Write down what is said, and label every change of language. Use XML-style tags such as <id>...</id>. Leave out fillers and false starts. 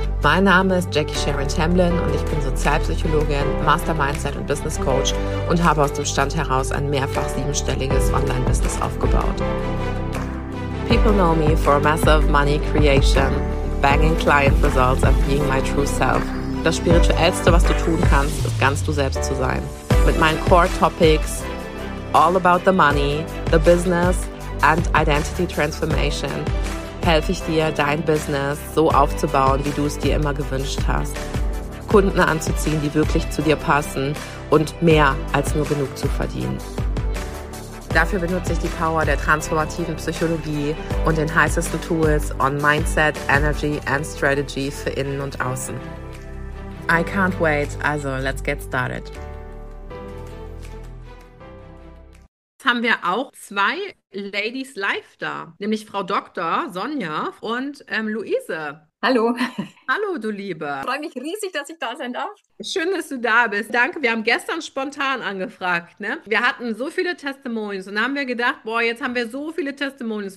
<de>Mein Name ist Jackie Sharon Tamblyn und ich bin Sozialpsychologin, Master Mindset und Business Coach und habe aus dem Stand heraus ein mehrfach siebenstelliges Online-Business aufgebaut.</de> <en>People know me for massive money creation, banging client results and being my true self.</en> <de>Das Spirituellste, was du tun kannst, ist ganz du selbst zu sein. Mit meinen Core Topics,</de> <en>all about the money, the business and identity transformation,</en> <de>helfe ich dir, dein Business so aufzubauen, wie du es dir immer gewünscht hast. Kunden anzuziehen, die wirklich zu dir passen und mehr als nur genug zu verdienen. Dafür benutze ich die Power der transformativen Psychologie und den heißesten Tools</de> <en>on Mindset, Energy and Strategy</en> <de>für innen und außen.</de> <en>I can't wait, also let's get started.</en> <de>Haben wir auch zwei Ladies live da, nämlich Frau Dr. Sonja und Luise. Hallo. Hallo, du Liebe. Ich freue mich riesig, dass ich da sein darf. Schön, dass du da bist. Danke, wir haben gestern spontan angefragt. Ne? Wir hatten so viele Testimonials und haben wir gedacht, boah, jetzt haben wir so viele Testimonials.</de>